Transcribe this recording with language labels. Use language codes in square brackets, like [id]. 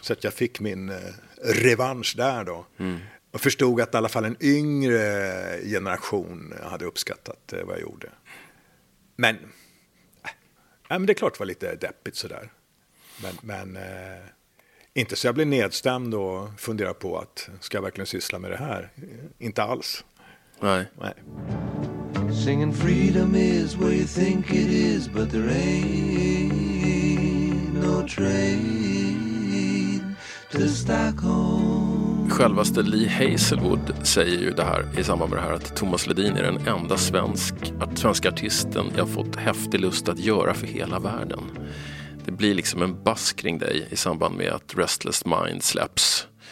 [sv] Så att jag fick min revansch där då. Mm. Och förstod att i alla fall en yngre generation hade uppskattat vad jag gjorde. Men, men det är klart det var lite deppigt sådär. Men inte så jag blev nedstämd och funderar på att ska jag verkligen syssla med det här? Inte alls. Nej. [en] Singing freedom is what you think it is, but there ain't no train to Stockholm. [sv] Självaste Lee Hazelwood säger ju det här i samband med det här att Thomas Ledin är den enda svenska artisten jag fått häftig lust att göra för hela världen. Det blir liksom en bass kring dig i samband med att Restless Mind släpps.